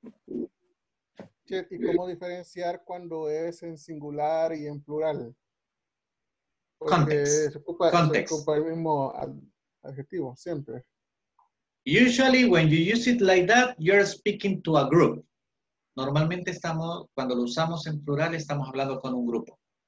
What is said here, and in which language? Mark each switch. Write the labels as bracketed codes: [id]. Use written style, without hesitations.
[es] ¿Y cómo diferenciar cuando es en singular y en plural? Porque context. Se ocupa, context. Se ocupa el mismo adjetivo, siempre. [en] Usually when you use it like that, you're speaking to a group. [es] normalmente estamos, cuando lo usamos en plural, estamos hablando con un grupo.